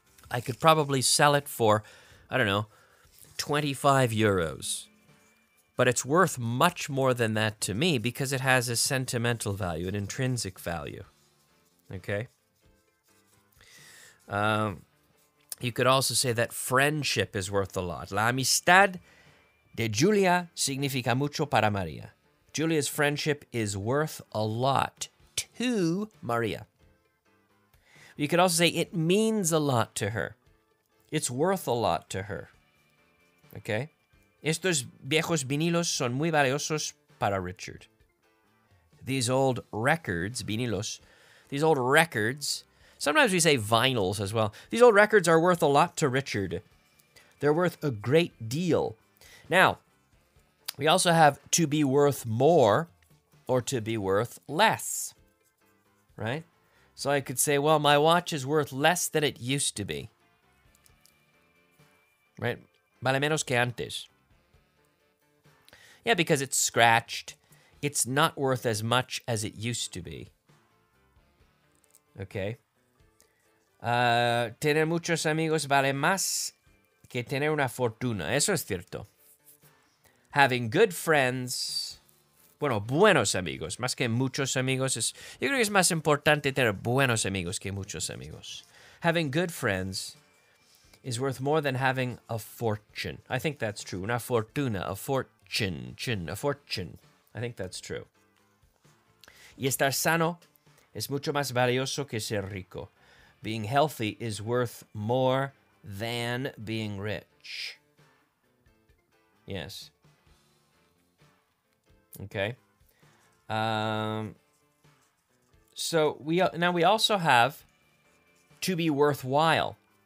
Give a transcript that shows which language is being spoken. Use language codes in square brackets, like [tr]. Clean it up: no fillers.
[en] I could probably sell it for, I don't know, 25 euros. But it's worth much more than that to me because it has a sentimental value, an intrinsic value. Okay? You could also say that friendship is worth a lot. [es] La amistad de Julia significa mucho para María. [en] Julia's friendship is worth a lot to Maria. You could also say it means a lot to her. It's worth a lot to her. Okay? [es] Estos viejos vinilos son muy valiosos para Richard. [en] These old records, sometimes we say vinyls as well. These old records are worth a lot to Richard. They're worth a great deal. Now, we also have to be worth more or to be worth less. Right? So I could say, well, my watch is worth less than it used to be. Right? [es] Vale menos que antes. [en] Yeah, because it's scratched. It's not worth as much as it used to be. Okay? [es] Tener muchos amigos vale más que tener una fortuna. Eso es cierto. [en] Having good friends... [es] Bueno, buenos amigos, más que muchos amigos. Yo creo que es más importante tener buenos amigos que muchos amigos. [en] Having good friends is worth more than having a fortune. I think that's true. [es] Una fortuna, [en] a fortune, chin, a fortune. I think that's true. [es] Y estar sano es mucho más valioso que ser rico. [en] Being healthy is worth more than being rich. Yes. Okay, so we also have to be worthwhile.